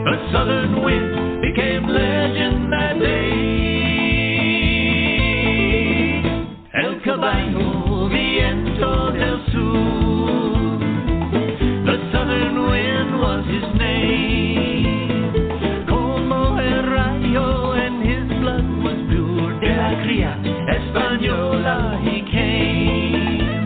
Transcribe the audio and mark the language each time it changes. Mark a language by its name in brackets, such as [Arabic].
[English] Southern wind became legend that day. [Spanish] El caballo, viento del sur. [English] The southern wind was his name. [Spanish] Como el rayo, [English] and his blood was pure. [Spanish] De la cría española [English] he came.